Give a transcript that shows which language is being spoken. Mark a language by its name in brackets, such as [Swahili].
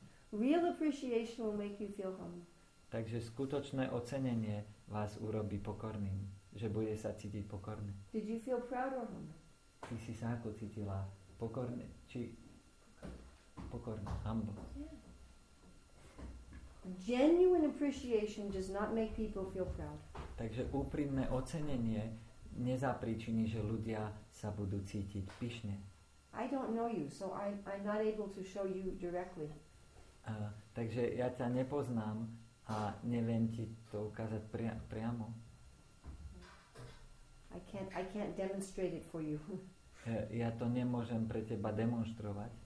[English] Real appreciation will make you feel humble. [Slovak] Takže skutočné ocenenie vás urobí pokorným, že bude sa cítiť pokorne. [English] Did you feel proud or humble? [Slovak] Ty si sa ako cítila? Pokorne? Či pokorne? Humble. [English] Yeah. Genuine appreciation does not make people feel proud. [Slovak] Takže úprimné ocenenie nezapríčiní, že ľudia sa budú cítiť pyšne. [English] I don't know you, so I'm not able to show you directly. [Slovak] Takže ja ťa nepoznám a neviem ti to ukázať priamo. [English] I can't demonstrate it for you. [Slovak] Ja to nemôžem pre teba demonstrovať.